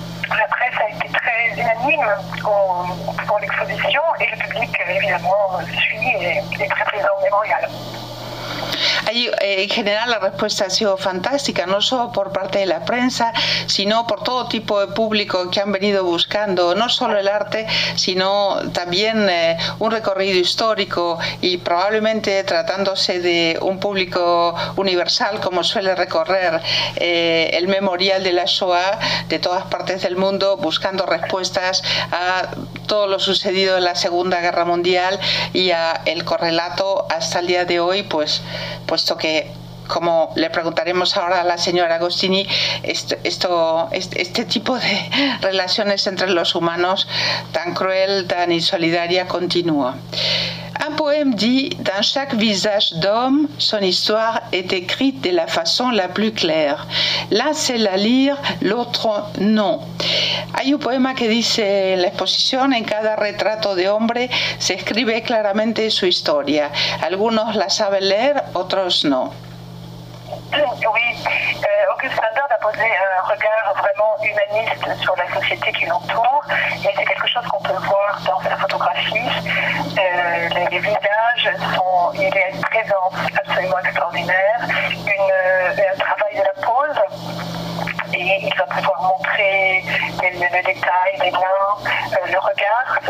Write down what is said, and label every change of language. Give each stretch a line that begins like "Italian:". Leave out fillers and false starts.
French: Après, ça a été très unanime pour l'exposition et le public, évidemment, suit et est très présent au mémorial.
Spanish: En general la respuesta ha sido fantástica, no solo por parte de la prensa, sino por todo tipo de público que han venido buscando no solo el arte, sino también un recorrido histórico y probablemente tratándose de un público universal como suele recorrer el memorial de la Shoah de todas partes del mundo buscando respuestas a todo lo sucedido en la Segunda Guerra Mundial y a el correlato hasta el día de hoy, pues puesto que, como le preguntaremos ahora a la señora Agostini, este tipo de relaciones entre los humanos tan cruel, tan insolidaria, continúa.
French: Un poème dit « Dans chaque visage d'homme, son histoire est écrite de la façon la plus claire. L'un sait la lire, l'autre non.
Spanish: » Hay un poema que dice en la exposición, en cada retrato de hombre se escribe claramente su historia. Algunos la saben leer, otros no.
French: Oui, Auguste Strindberg a posé un regard vraiment humaniste sur la société qui l'entoure, et c'est quelque chose qu'on peut voir dans sa photographie. Les visages sont, il y a une présence absolument extraordinaire, un travail de la pose, et il va pouvoir montrer le détail des liens, le regard.